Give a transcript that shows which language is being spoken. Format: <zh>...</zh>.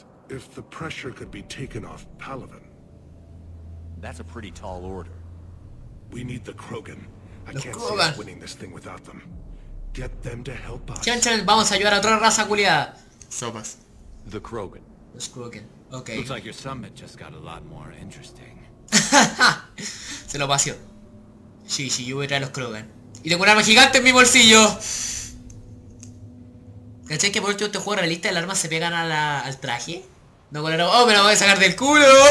<en>If the pressure could be taken off Palavin. That's a pretty tall order. We need the Krogan. I can't see us winning this thing without them. Get them to help us.</en> <es>Chan chan, vamos a ayudar a otra raza culiada. Sobas.</es> <en>The Krogan. The Krogan. Okay. Looks like your summit just got a lot more interesting.</en> <es>Se lo paseo. Sí, sí, yo voy a traer los Krogan. Y tengo un arma gigante en mi bolsillo. ¿Cachai que por último este juego realista el arma se pegan a la, al traje? No, con el arma. ¡Oh, me la voy a sacar del culo!</es>